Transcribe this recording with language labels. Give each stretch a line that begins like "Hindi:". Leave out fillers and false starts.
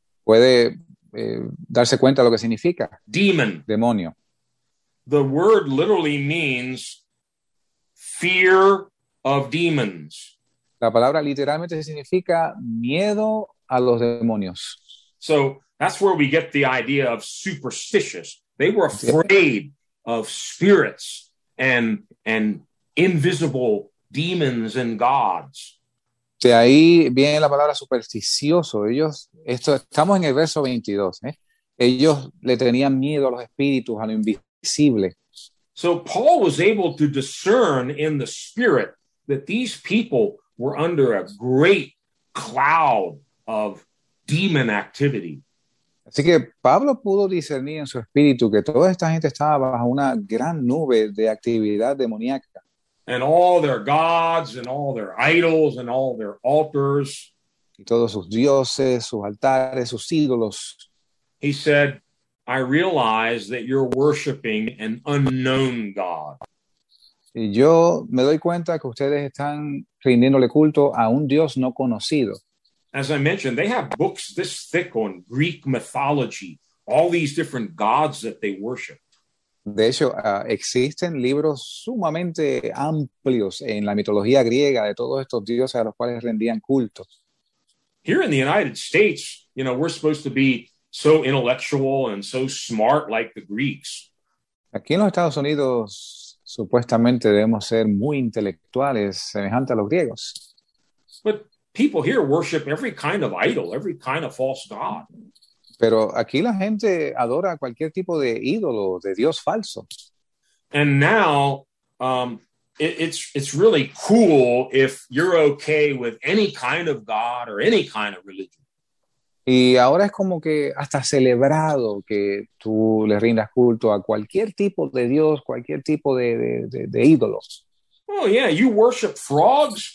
Spanish: Puede darse cuenta de lo que significa
English: Demon.
Spanish: demonio.
English: The word literally means fear of demons.
Spanish: La palabra literalmente significa miedo a los demonios.
English: So that's where we get the idea of superstitious. They were afraid of spirits and invisible demons and gods.
Spanish: De ahí viene la palabra supersticioso. Ellos, esto estamos en el verso 22, ¿eh? Ellos le tenían miedo a los espíritus, a lo invisible.
English: So Paul was able to discern in the spirit that these people were under a great cloud of demon activity.
Spanish: Así que Pablo pudo discernir en su espíritu que toda esta gente estaba bajo una gran nube de actividad demoníaca.
English: And all their gods and all their idols and all their altars.
Spanish: Y todos sus dioses, sus altares, sus ídolos.
English: He said, I realize that you're worshiping an unknown God.
Spanish: Y yo me doy cuenta que ustedes están rindiéndole culto a un Dios no conocido.
English: As I mentioned, they have books this thick on Greek mythology, all these different gods that they worship.
Spanish: De hecho, existen libros sumamente amplios en la mitología griega de todos estos dioses a los cuales rendían culto.
English: Here in the United States, we're supposed to be so intellectual and so smart like the Greeks.
Spanish: Aquí en los Estados Unidos, supuestamente debemos ser muy intelectuales, semejantes a los griegos.
English: But people here worship every kind of idol, every kind of false god.
Spanish: Pero aquí la gente adora cualquier tipo de ídolo, de dios falso.
English: And now, it's really cool if you're okay with any kind of god or any kind of religion.
Spanish: Y ahora es como que hasta celebrado que tú le rindas culto a cualquier tipo de dios, cualquier tipo de ídolo.
English: Oh, yeah, you worship frogs?